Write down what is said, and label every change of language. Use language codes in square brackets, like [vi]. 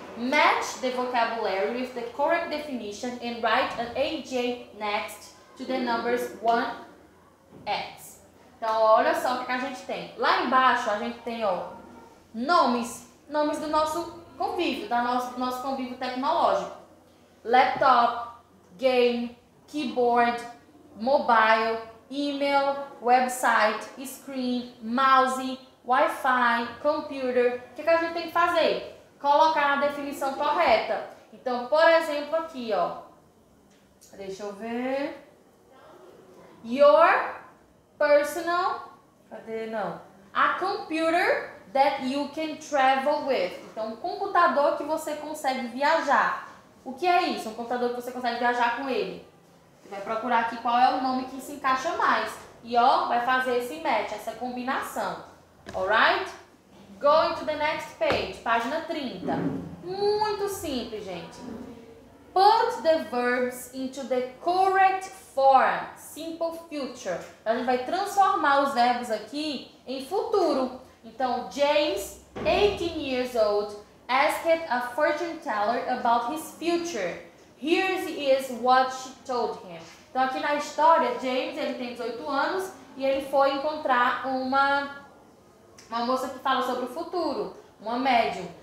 [en] Match the vocabulary with the correct definition and write an AJ next to the numbers 1X. [pt] Então, olha só o que a gente tem. Lá embaixo, a gente tem, ó, nomes. Nomes do nosso convívio, do nosso convívio tecnológico. [en] Laptop, game, keyboard, mobile, email, website, screen, mouse, Wi-Fi, computer. [pt] O que a gente tem que fazer? Colocar a definição correta. Então, por exemplo, aqui, ó. Deixa eu ver. [en] Your personal, [pt] cadê? Não. [en] A computer that you can travel with. [pt] Então, um computador que você consegue viajar. O que é isso? Um computador que você consegue viajar com ele. Você vai procurar aqui qual é o nome que se encaixa mais. E, ó, vai fazer esse match, essa combinação. [en] Alright? Going to the next page, [pt] página 30. Muito simples, gente. [en] Put the verbs into the correct form, simple future. [pt] A gente vai transformar os verbos aqui em futuro. [en] Então, James, 18 years old, asked a fortune teller about his future. Here is what she told him. [pt] Então, aqui na história, James, ele tem 18 anos e ele foi encontrar uma moça que fala sobre o futuro, uma médium.